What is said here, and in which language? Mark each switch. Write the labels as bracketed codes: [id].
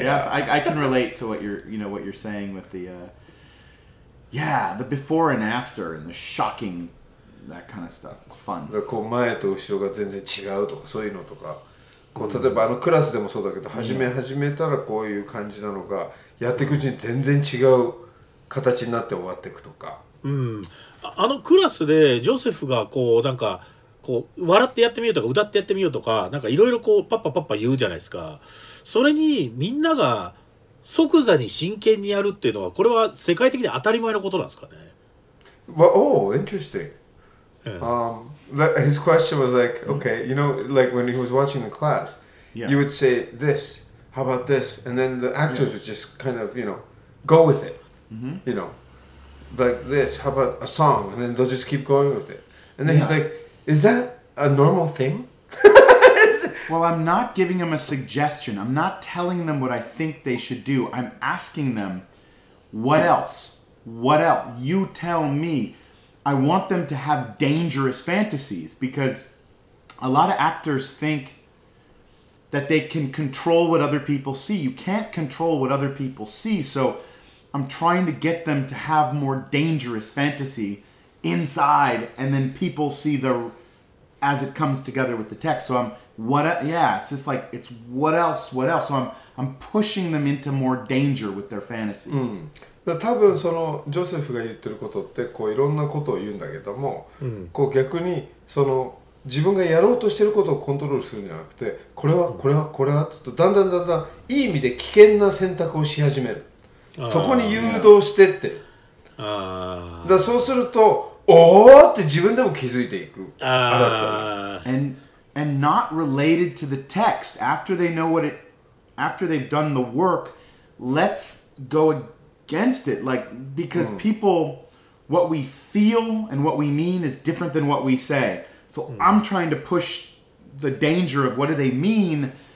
[en] Yes, I can relate to what you're saying with the before and after and the shocking. That kind of stuff. Fun. [ja] だからこう前と後ろが全然違うとかそういうのとかこう例えばあのクラスでもそうだけど始めたらこういう感じなのがやっていくうちに全然違う形になって終わっていくとか、うん、あのクラスでジョセフがこうなんかこう笑ってやってみようとか歌ってやってみようとかなんかいろいろこうパッパパッパ言うじゃないですか。それにみんなが即座に真剣にやるっていうのはこれは世界的に当たり前のことなんですかね。 [en] Well, oh, interesting. His question was like, okay, you know, like when he was watching the class, you would say this, how about this? And then the actors would just kind of, you know, go with it, you know, like this, how about a song? And then they'll just keep going with it. And then he's like, is that a normal thing? Well, I'm not giving them a suggestion. I'm not telling them what I think they should do. I'm asking them, what else? What else? You tell me. I want them to have dangerous fantasies because a lot of actors think that they can control what other people see. You can't control what other people see. So I'm trying to get them to have more dangerous fantasy inside and then people see the as it comes together with the text. So I'm, it's just like, it's what else, what else? So I'm pushing them into more danger with their fantasy. Mm. [ja] 多分そのジョセフが言ってることってこういろんなことを言うんだけどもこう逆にその自分がやろうとしてることをコントロールするんじゃなくてこれはこれはこれはっつってだんだんだんだんいい意味で危険な選択をし始める。そこに誘導してって。ああ。だそうするとおーって自分でも気づいていく。ああ。 [en] And not related to the text. After they know what it, after they've done the work, let's go against it, like, because people, what we feel and what we mean is different than what we say. So I'm trying to push the danger of what do they mean.